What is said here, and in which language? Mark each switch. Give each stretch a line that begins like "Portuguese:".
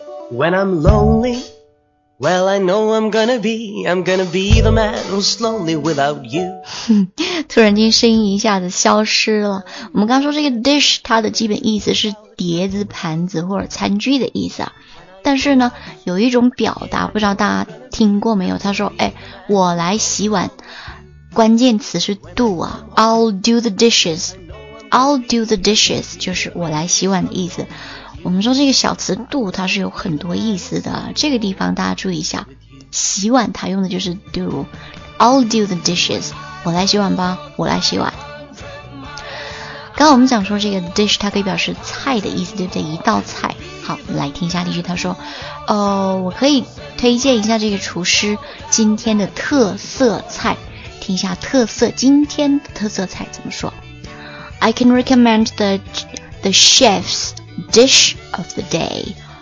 English: When I'm lonely, well, I know I'm gonna be the man who's lonely without you.
Chinese: 突然间声音一下子消失了。我们刚说这个 dish 它的基本意思是碟子、盘子或者餐具的意思啊。但是呢，有一种表达，不知道大家听过没有？他说，哎，我来洗碗。关键词是 do 啊，
English: I'll do the dishes.
Chinese: I'll do the dishes 就是我来洗碗的意思。我们说这个小词 do 它是有很多意思的，这个地方大家注意一下，洗碗它用的就是 do，
English: I'll do the dishes，
Chinese: 我来洗碗吧，我来洗碗。刚刚我们讲说这个 dish 它可以表示菜的意思，对不对？一道菜。好，来听一下例句，他说，我可以推荐一下这个厨师今天的特色菜，听一下特色，今天的特色菜怎么说？
English: I can recommend the chef'sDish of the day.